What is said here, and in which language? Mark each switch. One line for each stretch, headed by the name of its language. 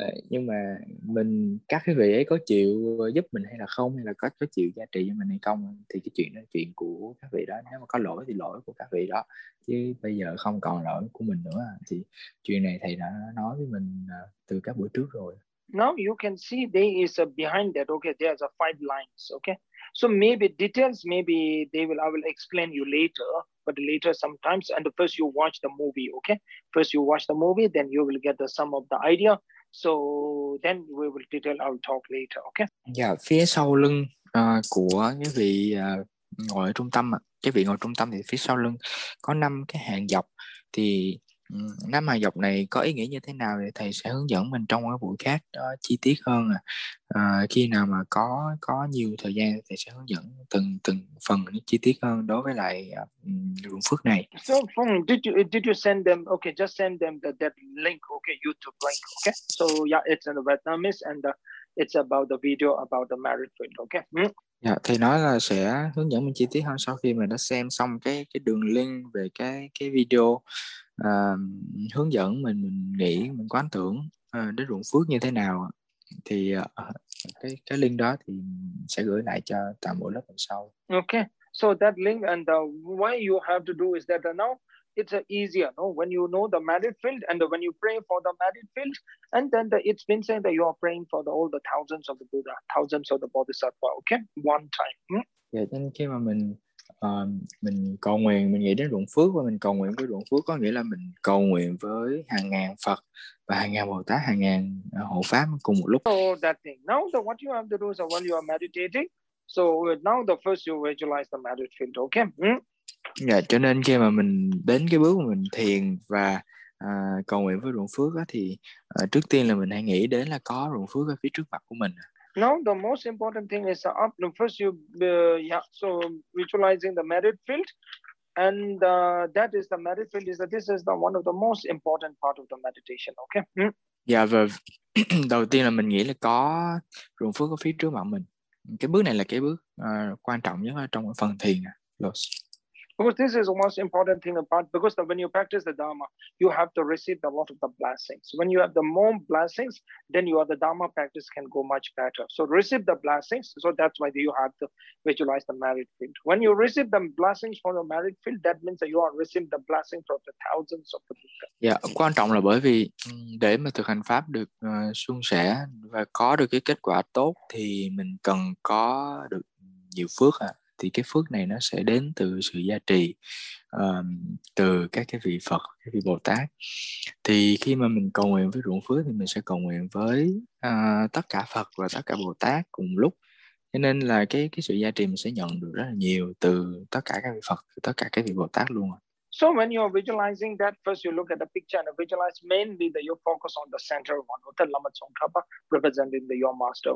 Vietnamese: Nhưng mà mình các cái vị ấy có chịu giúp mình hay là không, hay là có chịu giá trị cho mình hay không, thì cái chuyện đó là chuyện của các vị đó. Nếu mà có lỗi thì lỗi của các vị đó, chứ bây giờ không còn lỗi của mình nữa. Thì chuyện này thầy đã nói với mình từ các buổi trước rồi.
English: Now you can see there is a behind that, okay, there are five lines, okay. So maybe details, maybe I will explain you later. but later sometimes, and first you watch the movie, okay? First you watch the movie, then you will get the sum of the idea. So then we will detail, I'll talk later, okay?
Vietnamese: Yeah, phía sau lưng của cái vị ngồi ở trung tâm, cái vị ngồi trung tâm thì phía sau lưng có 5 cái hàng dọc. Thì 5 hàng dọc này có ý nghĩa như thế nào thì thầy sẽ hướng dẫn mình trong cái buổi khác chi tiết hơn. Khi nào mà có nhiều thời gian thì sẽ hướng dẫn từng phần chi tiết hơn đối với lại ruộng phước này.
English: So did you send them? Okay, just send them that link. Okay, YouTube link. Okay, so yeah, it's in Vietnamese and it's about the video about the marriage field. Okay. Mm.
Vietnamese: Dạ, thầy nói là sẽ hướng dẫn mình chi tiết hơn sau khi mình đã xem xong cái đường link về cái video hướng dẫn mình nghĩ mình quán tưởng đến ruộng phước như thế nào, thì cái link đó thì sẽ gửi lại cho toàn bộ lớp lần sau.
English: Okay, so that link and the why you have to do is that now it's easier, no? When you know the married field and when you pray for the married field, and then it's been saying that you are praying for all the thousands of the Buddha, thousands of the Bodhisattva, okay? One time. Hmm? Yeah, then
Vietnamese: khi mà mình cầu nguyện, mình nghĩ đến ruộng phước và mình cầu nguyện với ruộng phước có nghĩa là mình cầu nguyện với hàng ngàn Phật và hàng ngàn Bồ Tát, hàng ngàn hộ pháp cùng một lúc.
English: So that thing. Now, so what you have to do is while you are meditating, so now the first you visualize the married field, okay? Hmm?
Vietnamese: Dạ, cho nên khi mà mình đến cái bước mà mình thiền và cầu nguyện với ruộng phước á, thì trước tiên là mình hãy nghĩ đến là có ruộng phước ở phía trước mặt của mình.
English: Now the most important thing is so visualizing the merit field, and that is the merit field is that this is the one of the most important part of the meditation, okay?
Vietnamese: Dạ, và đầu tiên là mình nghĩ là có ruộng phước ở phía trước mặt mình. Cái bước này là cái bước quan trọng nhất trong phần thiền.
English: Because this is the most important thing about, because when you practice the Dharma, you have to receive a lot of the blessings. When you have the more blessings, then your the Dharma practice can go much better. So receive the blessings. So that's why you have to visualize the merit field. When you receive the blessings from the merit field, that means that you are receiving the blessing from the thousands of the Buddha.
Vietnamese: Yeah, quan trọng là bởi vì để mà thực hành pháp được suôn sẻ và có được cái kết quả tốt thì mình cần có được nhiều phước à. Thì cái phước này nó sẽ đến từ sự gia trì từ các cái vị Phật, các vị Bồ Tát. Thì khi mà mình cầu nguyện với ruộng phước thì mình sẽ cầu nguyện với tất cả Phật và tất cả Bồ Tát cùng lúc. Cho nên là cái sự gia trì mình sẽ nhận được rất là nhiều từ tất cả các vị Phật, tất cả các vị Bồ Tát luôn.
English: So when you are visualizing that, first you look at the picture and visualize mainly that you focus on the center one, the Lama Tsongkhapa, representing the your master.